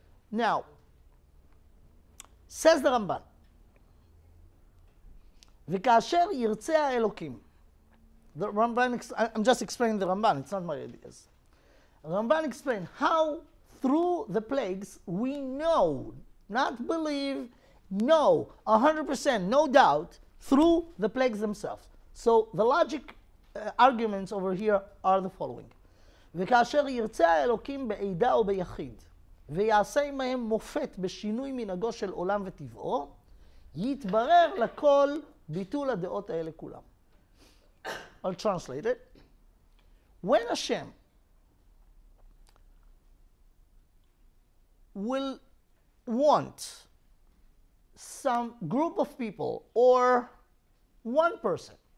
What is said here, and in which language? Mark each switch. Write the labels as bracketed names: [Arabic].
[English] Now, says the Ramban, [Hebrew] וכאשר ירצה האלוקים, [English] the Ramban, I'm just explaining the Ramban, it's not my ideas. Ramban explained how through the plagues we know, not believe, know, 100%, no doubt, through the plagues themselves. So the logic arguments over here are the following. [Hebrew] וכאשר ירצה האלוקים בעידה או ביחיד, ויעשה מהם מופת בשינוי מנהגו של עולם וטבעו, יתברר לכל ביטול הדעות האלה כולם. [English] I'll translate it. When Hashem will want some group of people or one person,